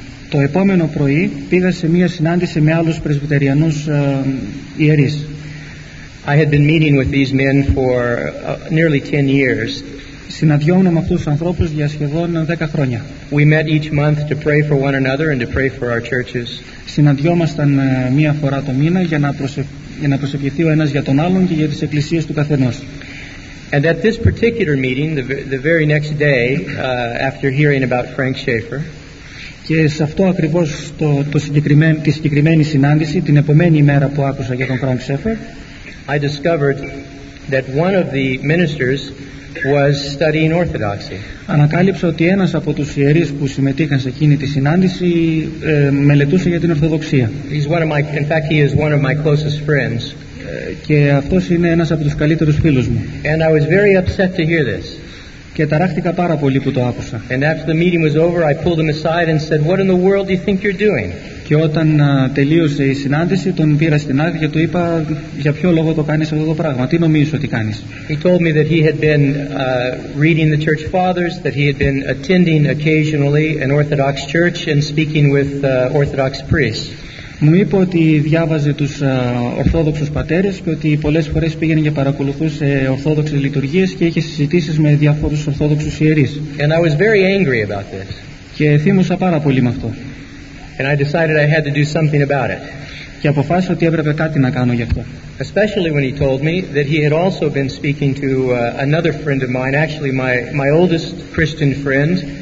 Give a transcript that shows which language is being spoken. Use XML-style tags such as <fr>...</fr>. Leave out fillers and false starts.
<el>Το επόμενο πρωί πήγα σε μια συνάντηση με άλλους πρεσβυτεριανούς ιερείς.</el> <en>I had been meeting with these men for nearly 10 years.</en> <el>Συναντιόμουν με αυτούς τους ανθρώπους για σχεδόν 10 χρόνια.</el> <en>We met each month to pray for one another and to pray for our churches.</en> <el>Συναντιόμασταν μία φορά το μήνα για να προσευχηθεί ο ένας για τον άλλον και για τις εκκλησίες του καθενός.</el> <en>And at this particular meeting, the very next day, after hearing about Frank Schaefer,</en> <el>και σε αυτό ακριβώς τη συγκεκριμένη συνάντηση, την επόμενη μέρα που άκουσα για τον Frank Schaefer,</el> <en>I discovered that one of the ministers was studying Orthodoxy.</en> <el>Ανακάλυψα ότι ένας από τους ιερείς που συμμετείχαν σε εκείνη τη συνάντηση μελετούσε για την Ορθοδοξία.</el> <en>He's one of my, in fact, he is one of my closest friends.</en> <el>Και αυτός είναι ένας από τους καλύτερους φίλους μου.</el> <en>And I was very upset to hear this.</en> <el>Και ταράχτηκα πάρα πολύ που το άκουσα.</el> <en>And after the meeting was over, I pulled him aside and said, "What in the world do you think you're doing?"</en> <el>Και όταν τελείωσε η συνάντηση, τον πήρα στην άκρη και του είπα για ποιο λόγο το κάνεις αυτό το πράγμα, τι νομίζεις ότι κάνεις.</el> <en>He told me that he had been reading the church fathers, that he had been attending occasionally an Orthodox church and speaking with Orthodox priests.</en> <el>Μου είπε ότι διάβαζε τους Ορθόδοξους πατέρες και ότι πολλές φορές πήγαινε και παρακολουθούσε Ορθόδοξες λειτουργίες και είχε συζητήσεις με διάφορους Ορθόδοξους ιερείς.</el> <en>And I was very angry about this.</en> <el>Και θύμωσα πάρα πολύ με αυτό.</el> <en>And I decided I had to do something about it.</en> <el>Και αποφάσισα ότι έπρεπε κάτι να κάνω γι' αυτό.</el> <en>Especially when he told me that he had also been speaking to another friend of mine, actually my oldest Christian friend.</en>